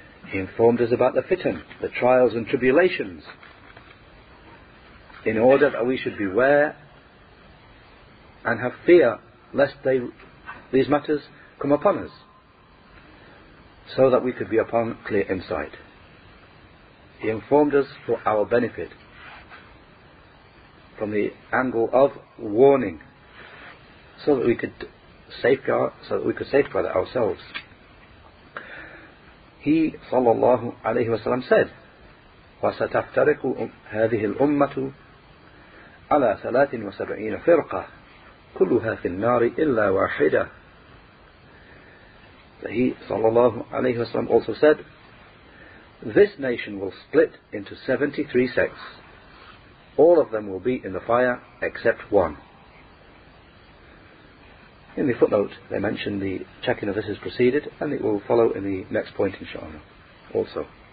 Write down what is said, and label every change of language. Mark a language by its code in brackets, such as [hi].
[en] He informed us about the fitan, the trials and tribulations, in order that we should beware and have fear lest these matters come upon us, so that we could be upon clear insight. He informed us for our benefit, from the angle of warning, so that we could safeguard ourselves. He, sallallahu alayhi wa sallam, said, [ar] وَسَتَفْتَرِقُ هَذِهِ الْأُمَّةُ عَلَى 73 فِرْقَةً كُلُّهَا فِي النَّارِ إِلَّا وَاحِدَةً. [en] He, sallallahu alayhi wa sallam, also said, this nation will split into 73 sects. All of them will be in the fire except one. In the footnote, they mention the checking of this has proceeded, and it will follow in the next point, inshallah, also.